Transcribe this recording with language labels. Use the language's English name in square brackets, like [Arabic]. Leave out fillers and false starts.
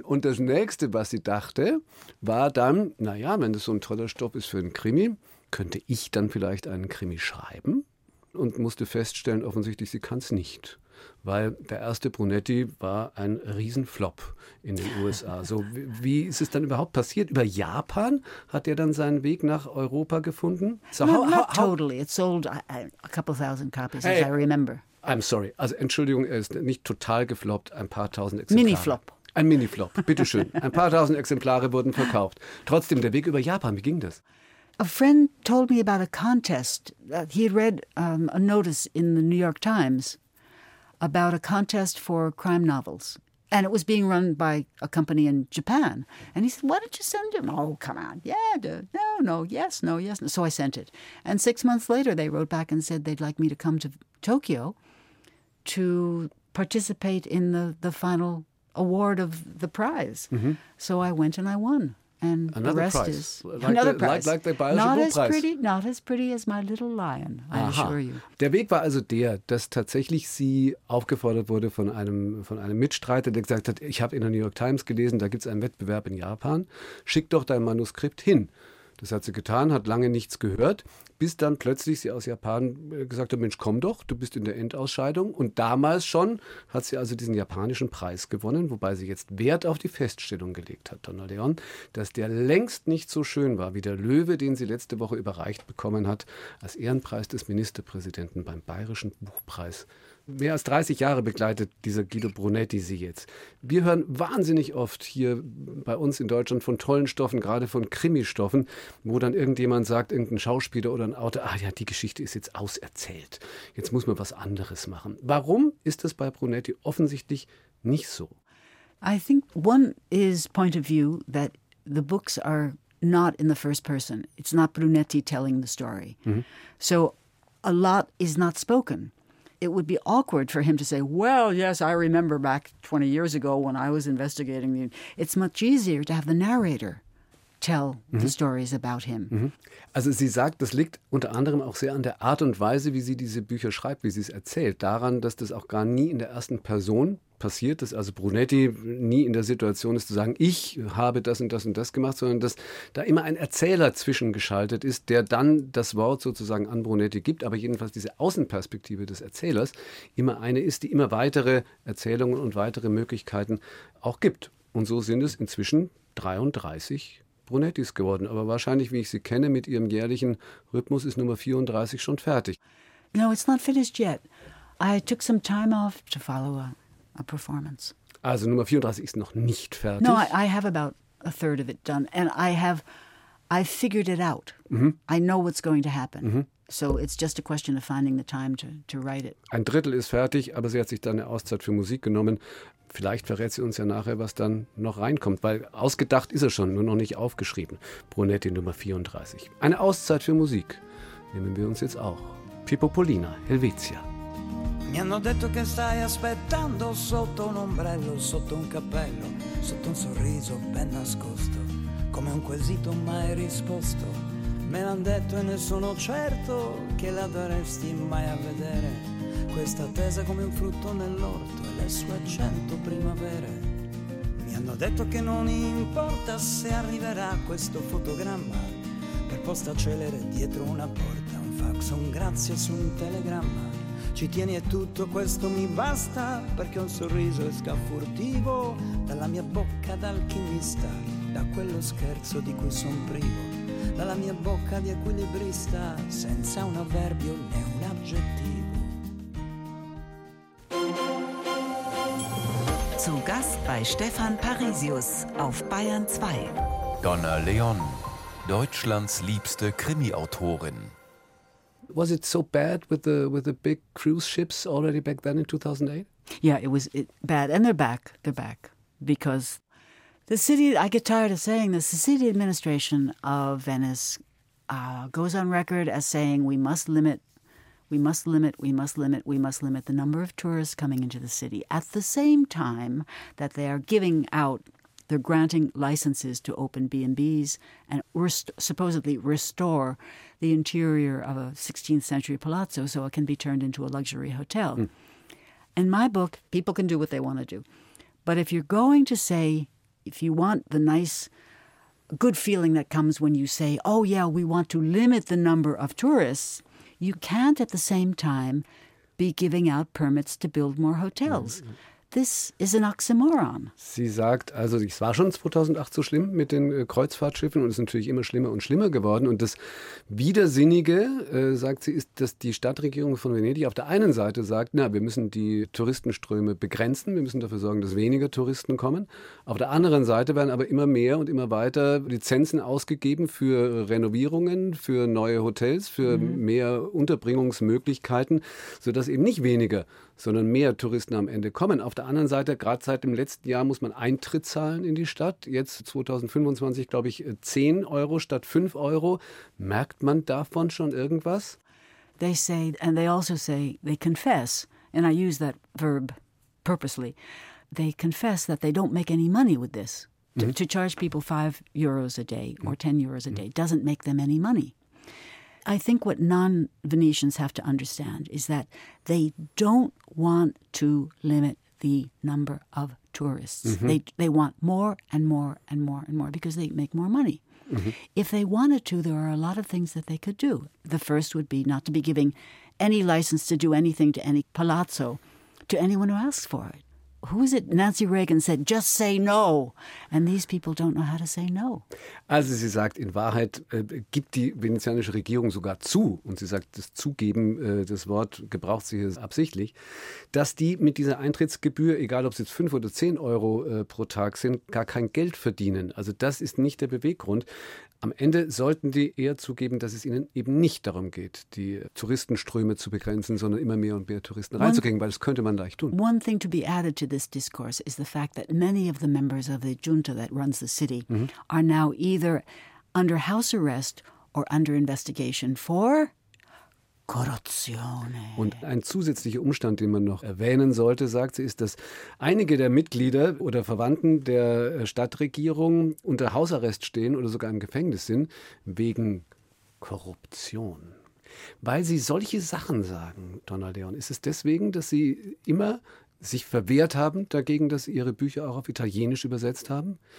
[German] Und das Nächste, was sie dachte, war dann, naja, wenn das so ein toller Stoff ist für einen Krimi, könnte ich dann vielleicht einen Krimi schreiben? Und musste feststellen, offensichtlich, sie kann es nicht. Weil der erste Brunetti war ein Riesenflop in den USA. So, wie ist es dann überhaupt passiert? Über Japan hat er dann seinen Weg nach Europa gefunden? [English] So, not totally. It sold a couple thousand copies, as I remember. I'm sorry. [German] Also Entschuldigung, er ist nicht total gefloppt, ein paar tausend Exemplare. Mini-Flop. Ein Mini-Flop, bitteschön. Ein paar tausend Exemplare wurden verkauft. Trotzdem, der Weg über Japan, wie ging das? [English] A friend told me about a contest. He had read a notice in the New York Times about a contest for crime novels. And it was being run by a company in Japan. And he said, why don't you send him? Oh, come on. Yeah, no, yes. So I sent it. And 6 months later, they wrote back and said they'd like me to come to Tokyo to participate in the final award of the prize. Mm-hmm. So I went and I won. And another the rest prize. Is like another the, prize. Like the Bayerische not [German] Nobelpreis. [English] As pretty, not as pretty as my little lion, I Aha. assure you. [German] Der Weg war also der, dass tatsächlich sie aufgefordert wurde von einem Mitstreiter, der gesagt hat, ich habe in der New York Times gelesen, da gibt es einen Wettbewerb in Japan, schick doch dein Manuskript hin. Das hat sie getan, hat lange nichts gehört, bis dann plötzlich sie aus Japan gesagt hat, Mensch, komm doch, du bist in der Endausscheidung. Und damals schon hat sie also diesen japanischen Preis gewonnen, wobei sie jetzt Wert auf die Feststellung gelegt hat, Donna Leon, dass der längst nicht so schön war wie der Löwe, den sie letzte Woche überreicht bekommen hat, als Ehrenpreis des Ministerpräsidenten beim Bayerischen Buchpreis Mehr als 30 Jahre begleitet dieser Guido Brunetti Sie jetzt. Wir hören wahnsinnig oft hier bei uns in Deutschland von tollen Stoffen, gerade von Krimi-Stoffen, wo dann irgendjemand sagt, irgendein Schauspieler oder ein Autor, ah ja, die Geschichte ist jetzt auserzählt. Jetzt muss man was anderes machen. Warum ist das bei Brunetti offensichtlich nicht so? [English] I think one is point of view that the books are not in the first person. It's not Brunetti telling the story. Mm-hmm. So a lot is not spoken. It would be awkward for him to say, well, yes, I remember back 20 years ago when I was investigating. It's much easier to have the narrator tell mm-hmm. the stories about him. Mm-hmm. [German] Also sie sagt, das liegt unter anderem auch sehr an der Art und Weise, wie sie diese Bücher schreibt, wie sie es erzählt. Daran, dass das auch gar nie in der ersten Person passiert, dass also Brunetti nie in der Situation ist zu sagen, ich habe das und das und das gemacht, sondern dass da immer ein Erzähler zwischengeschaltet ist, der dann das Wort sozusagen an Brunetti gibt, aber jedenfalls diese Außenperspektive des Erzählers immer eine ist, die immer weitere Erzählungen und weitere Möglichkeiten auch gibt. Und so sind es inzwischen 33 Brunettis geworden, aber wahrscheinlich, wie ich sie kenne, mit ihrem jährlichen Rhythmus ist Nummer 34 schon fertig. [English] No, it's not finished yet. I took some time off to follow a performance. [German] Also Nummer 34 ist noch nicht fertig. [English] No, I have about a third of it done and I figured it out. Mm-hmm. I know what's going to happen. Mm-hmm. So it's just a question of finding the time to write it. [German] Ein Drittel ist fertig, aber sie hat sich dann eine Auszeit für Musik genommen. Vielleicht verrät sie uns ja nachher, was dann noch reinkommt, weil ausgedacht ist er schon, nur noch nicht aufgeschrieben. Brunetti Nummer 34. Eine Auszeit für Musik nehmen wir uns jetzt auch. Pippo Pollina, Helvetia. [Italian] Mi hanno detto che stai aspettando sotto un ombrello, sotto un cappello, sotto un sorriso ben nascosto, come un quesito mai risposto. Me l'han detto e ne sono certo che la daresti mai a vedere. Questa attesa come un frutto nell'orto e le sue 100 primavere. Mi hanno detto che non importa se arriverà questo fotogramma, per posta celere dietro una porta, un fax, un grazie su un telegramma. Ci tieni e tutto questo mi basta, perché un sorriso esca furtivo dalla mia bocca d'alchimista, da quello scherzo di cui son privo, dalla mia bocca di equilibrista, senza un avverbio né un aggettivo. [German] Zu Gast bei Stefan Parisius auf Bayern 2. Donna Leon, Deutschlands liebste Krimi-Autorin. [English] Was it so bad with the big cruise ships already back then in 2008? Yeah, it was bad. And they're back. They're back. Because the city, I get tired of saying this, the city administration of Venice goes on record as saying we must limit the number of tourists coming into the city at the same time that they are giving out, they're granting licenses to open B&Bs and supposedly restore the interior of a 16th century palazzo so it can be turned into a luxury hotel. Mm. In my book, people can do what they want to do. But if you're going to say, if you want the nice, good feeling that comes when you say, oh yeah, we want to limit the number of tourists, you can't at the same time be giving out permits to build more hotels. Mm-hmm. This is an oxymoron. [German] Sie sagt, also es war schon 2008 so schlimm mit den Kreuzfahrtschiffen und es ist natürlich immer schlimmer und schlimmer geworden. Und das Widersinnige, sagt sie, ist, dass die Stadtregierung von Venedig auf der einen Seite sagt, na, wir müssen die Touristenströme begrenzen, wir müssen dafür sorgen, dass weniger Touristen kommen. Auf der anderen Seite werden aber immer mehr und immer weiter Lizenzen ausgegeben für Renovierungen, für neue Hotels, für mhm. mehr Unterbringungsmöglichkeiten, sodass eben nicht weniger, sondern mehr Touristen am Ende kommen. Auf der anderen Seite, gerade seit dem letzten Jahr muss man Eintritt zahlen in die Stadt. Jetzt 2025, glaube ich, 10 Euro statt 5 Euro. Merkt man davon schon irgendwas? [English] They say, and they also say, they confess, and I use that verb purposely, they confess that they don't make any money with this. Mm-hmm. To charge people 5 euros a day or 10 euros a day doesn't make them any money. I think what non-Venetians have to understand is that they don't want to limit the number of tourists. Mm-hmm. They want more and more and more and more because they make more money. Mm-hmm. If they wanted to, there are a lot of things that they could do. The first would be not to be giving any license to do anything to any palazzo to anyone who asks for it. who is it? Nancy Reagan said, just say no. And these people don't know how to say no. [German] Also sie sagt, in Wahrheit gibt die venezianische Regierung sogar zu, und sie sagt, das Zugeben, das Wort gebraucht sie hier absichtlich, dass die mit dieser Eintrittsgebühr, egal ob es jetzt 5 oder 10 Euro pro Tag sind, gar kein Geld verdienen. Also das ist nicht der Beweggrund. Am Ende sollten die eher zugeben, dass es ihnen eben nicht darum geht, die Touristenströme zu begrenzen, sondern immer mehr und mehr Touristen reinzukriegen, weil das könnte man leicht tun. [English] One thing to be added to this discourse is the fact that many of the members of the junta that runs the city are now either under house arrest or under investigation for Korruption. [German] Und ein zusätzlicher Umstand, den man noch erwähnen sollte, sagt sie, ist, dass einige der Mitglieder oder Verwandten der Stadtregierung unter Hausarrest stehen oder sogar im Gefängnis sind wegen Korruption. Weil sie solche Sachen sagen, Donna Leon, ist es deswegen, dass sie immer sich verwehrt haben dagegen, dass sie ihre Bücher auch auf Italienisch übersetzt haben?